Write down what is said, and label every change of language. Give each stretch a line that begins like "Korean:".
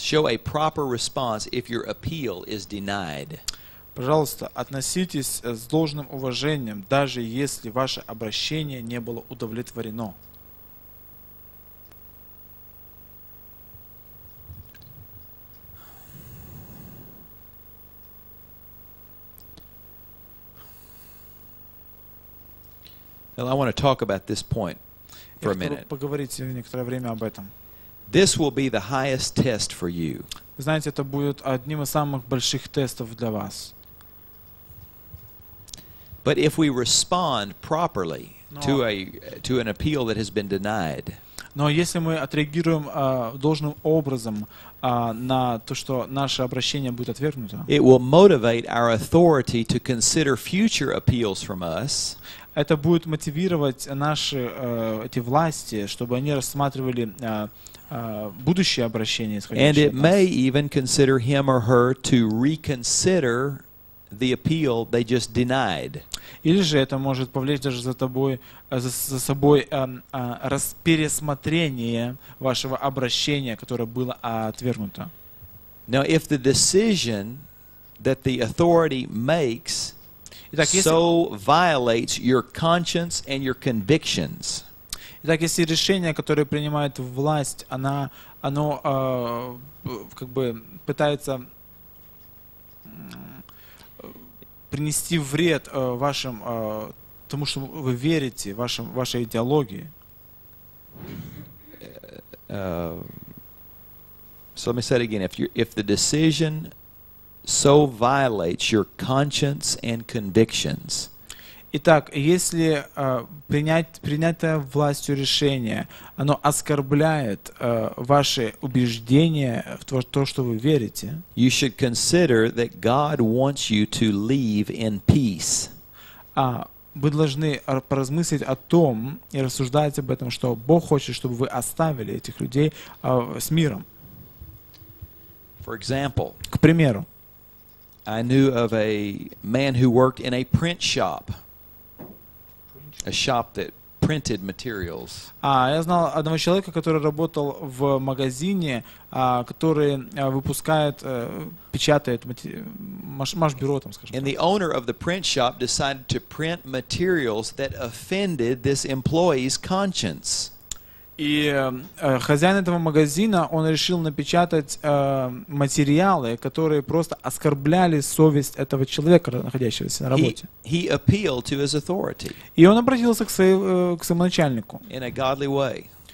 English: Show a proper response if your appeal is denied.
Russian: Пожалуйста, относитесь с должным уважением, даже если ваше обращение не было удовлетворено.
English: Well, I want to talk about this point for a minute.
Russian: Поговорите некоторое время об этом.
English: This will be the highest test for you.
Russian: Знаете, это будет одним из самых больших тестов для вас.
English: But if we respond properly to an appeal that has been denied.
Russian: Но если мы отреагируем должным образом на то, что наше обращение будет отвергнуто.
English: It will motivate our authority to consider future appeals from us.
Russian: Это будет мотивировать наши эти власти, чтобы они рассматривали будущее обращение, исходящее от нас. Или же это может повлечь даже за собой пересмотрение вашего обращения, которое было отвергнуто.
English: Now, if the decision that the authority makes
Russian: Итак, если...
English: so violates your conscience and your convictions.
Russian: Итак, если решение, которое принимает власть, оно как бы пытается принести вред вашим тому, что вы верите, вашей идеологии.
English: So let me say it again. If the decision so violates your conscience and convictions.
Russian: Итак, если принятое властью решение, оно оскорбляет ваши убеждения в то, что вы верите.
English: You should consider that God wants you to leave in peace.
Russian: Вы должны поразмыслить о том и рассуждать об этом, что Бог хочет, чтобы вы оставили этих людей с миром.
English: For example.
Russian: К примеру.
English: I knew of a man who worked in a print shop. A shop that printed materials.
Russian: Я знал одного человека, который работал в магазине, который выпускает, печатает машбюро там, скажем.
English: And the owner of the print shop decided to print materials that offended this employee's conscience.
Russian: И хозяин этого магазина, он решил напечатать материалы, которые просто оскорбляли совесть этого человека, находящегося на работе.
English: He appealed to his authority.
Russian: И он обратился к своему начальнику.
English: In a godly way.